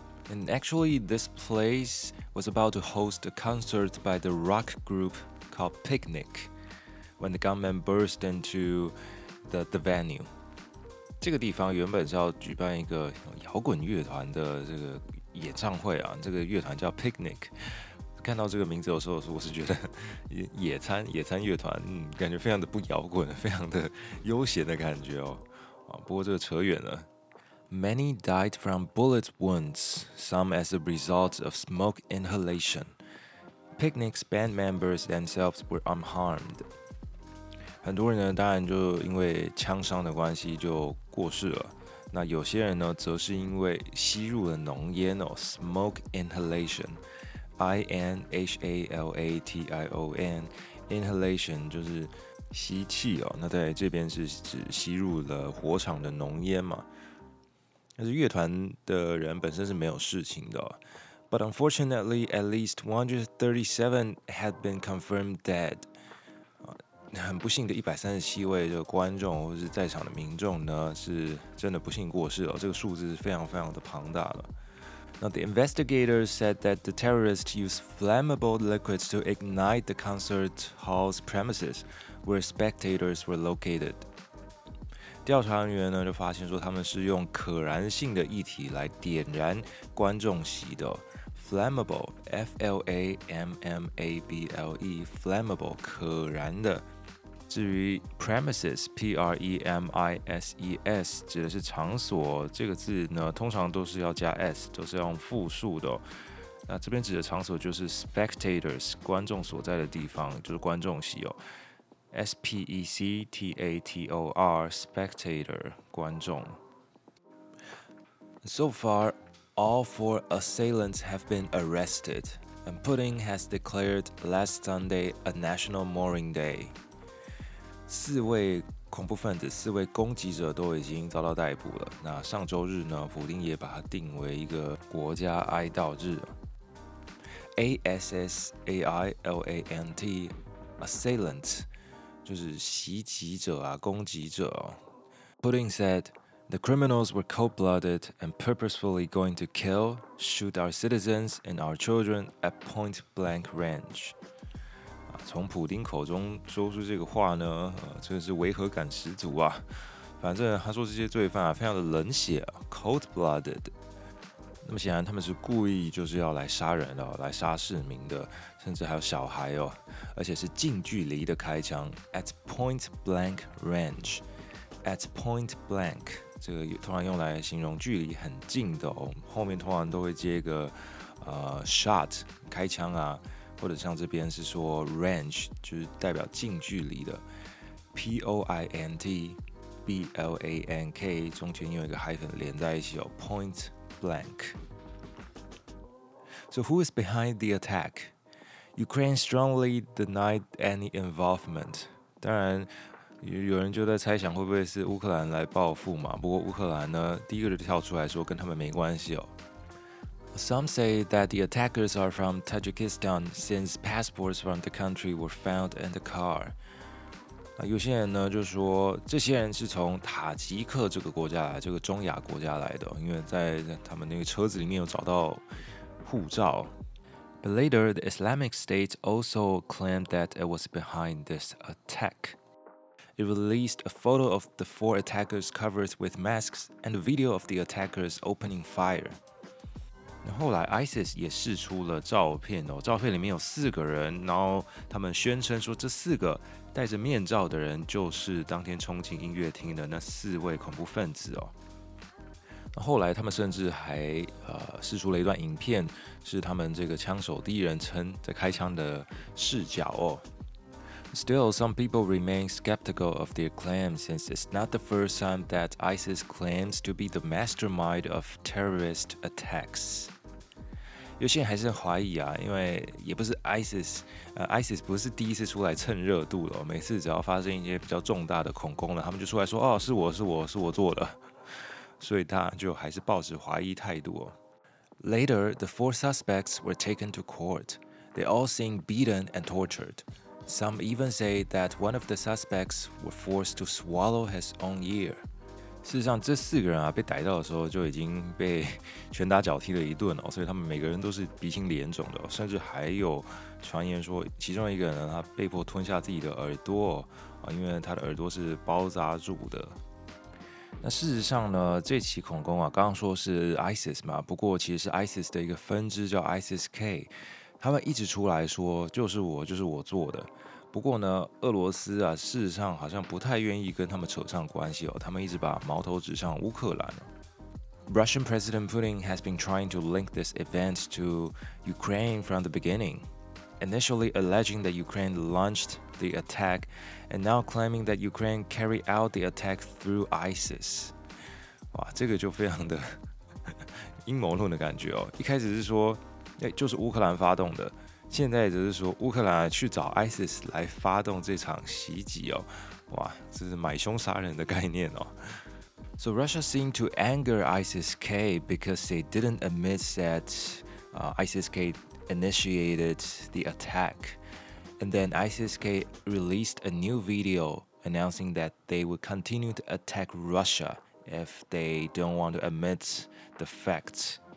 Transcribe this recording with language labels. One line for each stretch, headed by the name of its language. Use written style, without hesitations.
English: And actually, this place was about to host a concert by the rock group called Picnic when the gunman burst into the venue.
Chinese: 这个地方原本是要举办一个摇滚乐团的这个。演唱会啊，这个乐团叫 Picnic， 看到这个名字的时候，我是觉得野餐乐团，感觉非常的不摇滚，非常的悠闲的感觉哦。啊，不过这个扯远了。
English: Many died from bullet wounds, some as a result of smoke inhalation. Picnic's band members themselves were unharmed.
Chinese: 很多人呢，当然就因为枪伤的关系就过世了。那有些人呢，则是因为吸入了浓烟哦 ，
English: smoke inhalation，
Chinese: I-N-H-A-L-A-T-I-O-N， inhalation 就是吸气哦。那在这边是指吸入了火场的浓烟嘛。但是乐团的人本身是没有事情的、哦。
English: But unfortunately, at least 137 had been confirmed dead.
Chinese: 很不幸的137位的观众或是在场的民众呢，是真的不幸过世了。这个数字是非常非常的庞大的。
English: Now, the investigators said that the terrorists used flammable liquids to ignite the concert hall's premises where spectators were located.
Chinese: 调查人员呢就发现说他们是用可燃性的液体来点燃观众席的。
English: Flammable, F-L-A-M-M-A-B-L-E, flammable, 可燃的。
Chinese: 至于 premises, P-R-E-M-I-S-E-S, 指的是场所，这个字呢，通常都是要加 S, 都是要用复数的、哦。那这边指的场所就是 spectators, 观众所在的地方，就是观众席哦。
English: S-P-E-C-T-A-T-O-R, spectator, 观众。 So far, all four assailants have been arrested, and Putin has declared last Sunday a national mourning day.
Chinese: 四位恐怖分子，四位攻击者都已经遭到逮捕了。那上周日呢，普丁也把它定为一个国家哀悼日。 Assailant, assailant, 就是袭击者啊，攻击者、哦。
English: Putin said, the criminals were cold-blooded and purposefully going to kill, shoot our citizens and our children at point-blank range.
Chinese: 从普丁口中说出这个话呢，真的是违和感十足啊！反正他说这些罪犯啊，非常的冷血、啊、，cold-blooded。那么显然他们是故意就是要来杀人的、哦，来杀市民的，甚至还有小孩哦，而且是近距离的开枪 ，
English: at point-blank range，
Chinese: at point-blank， 这个通常用来形容距离很近的哦，后面通常都会接一个shot， 开枪啊。或者像这边是说 range， 就是代表近距离的 ，point blank， 中间有一个 hyphen 连在一起哦 ，point blank。
English: So who is behind the attack? Ukraine strongly denied any involvement.
Chinese: 当然有人就在猜想会不会是乌克兰来报复嘛，不过乌克兰呢第一个就跳出来说跟他们没关系哦。
English: Some say that the attackers are from Tajikistan since passports from the country were found in the car.
Chinese: 有些人呢就说这些人是从塔吉克这个国家来，这个中亚国家来的，因为在他们那个车子里面有找到护照。
English: But later, the Islamic State also claimed that it was behind this attack. It released a photo of the four attackers covered with masks and a video of the attackers opening fire.
Chinese: 后来 ISIS 也释出了照片哦，照片里面有四个人，然后他们宣称说这四个戴着面罩的人就是当天冲进音乐厅的那四位恐怖分子哦。后来他们甚至还释出了一段影片，是他们这个枪手第一人称在开枪的视角哦。
English: Still, some people remain skeptical of their claims since it's not the first time that ISIS claims to be the mastermind of terrorist attacks.
Chinese: 有些人还是怀疑啊，因为也不是 ISIS, ISIS 不是第一次出来蹭热度了，每次只要发生一些比较重大的恐攻了，他们就出来说，哦，是我做的。所以他就还是抱着怀疑态度哦。
English: Later, the four suspects were taken to court. They all seemed beaten and tortured. Some even say that one of the suspects was forced to swallow his own ear.
Chinese: 事实上，这四个人啊被逮到的时候就已经被拳打脚踢了一顿哦，所以他们每个人都是鼻青脸肿的，甚至还有传言说，其中一个人他被迫吞下自己的耳朵啊，因为他的耳朵是包扎住的。那事实上呢，这起恐攻啊，刚刚说是 ISIS 嘛，不过其实是 ISIS 的一个分支叫 ISIS-K。他们一直出来说就是我做的，不过呢，俄罗斯啊，事实上好像不太愿意跟他们扯上关系哦。他们一直把矛头指向乌克兰。
English: Russian President Putin has been trying to link this event to Ukraine from the beginning, initially alleging that Ukraine launched the attack, and now claiming that Ukraine carried out the attack through ISIS.
Chinese: 哇，这个就非常的阴谋论的感觉哦。一开始是说。就是乌克兰发动的，现在只是说乌克兰去找 ISIS 来发动这场袭击哦，哇，这是买凶杀人的概念哦。
English: So Russia seemed to anger ISIS-K because they didn't admit that ISIS-K initiated the attack, and then ISIS-K released a new video announcing that they would continue to attack Russia if they don't want to admit the facts.